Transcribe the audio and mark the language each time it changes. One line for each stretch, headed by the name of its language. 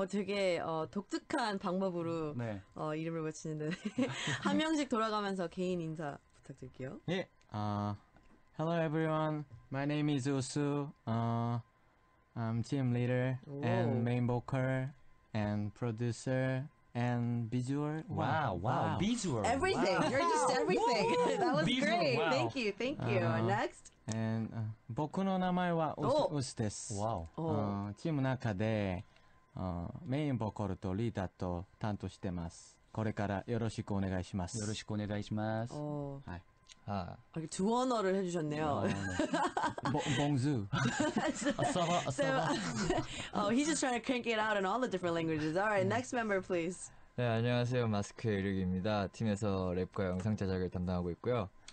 Korean: 되게 독특한 방법으로 네. 이름을 외치는데 한 명씩 돌아가면서 개인 인사 부탁드릴게요.
English: 예. Hello everyone. My name is Usu. I'm team leader and main vocal and producer. And visual. Wow. Visual. Everything. Wow. You're just everything. That was visual, great. Wow. Thank you. Next. And
Japanese: 僕の名前はウスです。
English: Wow.
Japanese: チームの中でメインボーカルとリーダーと担当してます。これからよろしくお願いします。よろしくお願いします。はい。
Korean: 아 이렇게 두 언어를 해주셨네요. 봉주. 아싸바 아싸바.
English: Oh, he's just trying to crank it out in all the different languages. All right, next member, please.
Korean: 네 안녕하세요, 마스크 이륙입니다. 팀에서 랩과 영상 제작을 담당하고 있고요.